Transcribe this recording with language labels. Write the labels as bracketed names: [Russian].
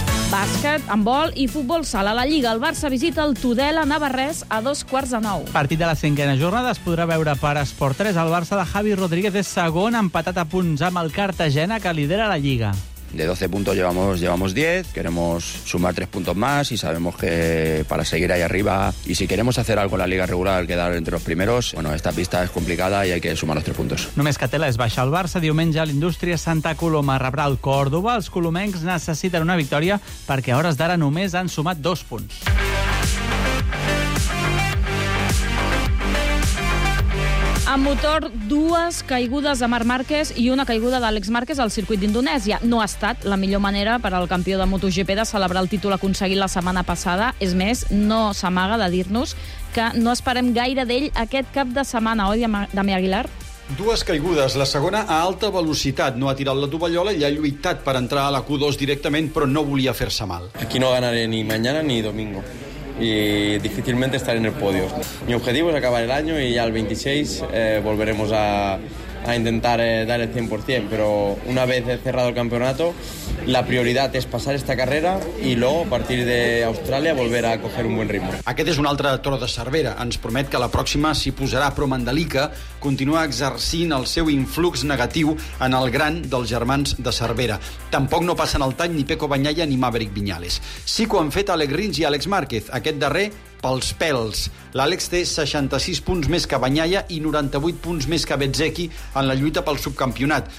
[Catalan] Bàsquet, handbol i futbol sala. La Lliga, el Barça visita el Tudela Navarrès a 8:45. Partit de la 5a jornada es podrà veure per Esport 3. El Barça de Javi Rodríguez és segon, empatat a punts amb el Cartagena, que lidera la Lliga. [Spanish] De 12 puntos llevamos 10, queremos sumar 3 puntos más y sabemos que para seguir ahí arriba y si queremos hacer algo en la Liga regular, quedar entre los primeros, bueno, esta pista es complicada y hay que sumar los 3 puntos. [Catalan] Només que té la és baixar el Barça. Diumenge a l'Indústria Santa Coloma rebrà el Córdoba. Els colomencs necessiten una victòria perquè a hores d'ara només han sumat 2 punts. A motor, dues caigudes de Marc Márquez i una caiguda d'Àlex Márquez al circuit d'Indonèsia. No ha estat la millor manera per al campió de MotoGP de celebrar el títol aconseguit la setmana passada. És més, no s'amaga de dir-nos que no esperem gaire d'ell aquest cap de setmana, oi, Damià Aguilar? Dues caigudes, la segona a alta velocitat. No ha tirat la tovallola i ha lluitat per entrar a la Q2 directament, però no volia fer-se mal. [Spanish] Aquí no ganaré ni mañana ni domingo. Y difícilmente estaré en el podio. Mi objetivo es acabar el año y ya el 26 volveremos a intentar dar el 100%, pero una vez cerrado el campeonato, [Catalan] la prioritat és [Spanish] passar esta carrera i luego a partir de Austràlia volver a coger un [Catalan] bon ritme. Aquest és un altre Toro de Cervera. Ens promet que la pròxima s'hi posarà, però Mandalika continua exercint el seu influx negatiu en el gran dels germans de Cervera. Tampoc no passen el tall ni Peco Bagnaia ni Maverick Viñales. Sí que ho han fet Alex Rins i Àlex Márquez. Aquest darrer pels pèls. L'Àlex té 66 punts més que Bagnaia i 98 punts més que Bezzecchi en la lluita pel subcampionat.